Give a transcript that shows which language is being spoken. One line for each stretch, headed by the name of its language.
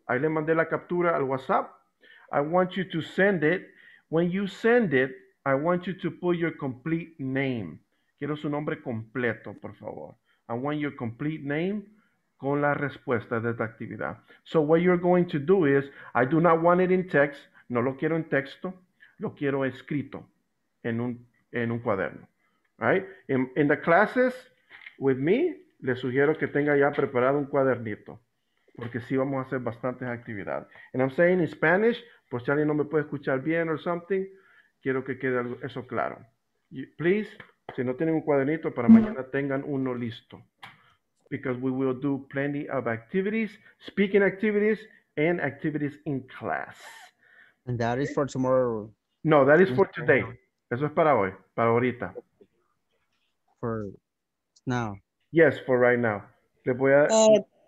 Spanish: Ahí le mandé la captura al WhatsApp.
English: I want you to send it. When you send it, I want you to put your complete name.
Spanish: Quiero su nombre completo, por favor.
English: I want your complete name
Spanish: con la respuesta de esta actividad.
English: So what you're going to do is, I do not want it in text.
Spanish: No lo quiero en texto, lo quiero escrito en un cuaderno,
English: right? In the classes with me,
Spanish: le sugiero que tenga ya preparado un cuadernito, porque sí vamos a hacer bastantes actividades.
English: And I'm saying in Spanish,
Spanish: por si alguien no me puede escuchar bien
English: or something,
Spanish: quiero que quede eso claro.
English: Please,
Spanish: si no tienen un cuadernito, para mañana tengan uno listo.
English: Because we will do plenty of activities, speaking activities, and activities in class. And that is for tomorrow. No, that is for today.
Spanish: Eso es para hoy, para ahorita.
English: For now. Yes, for right now.
Spanish: Le voy a...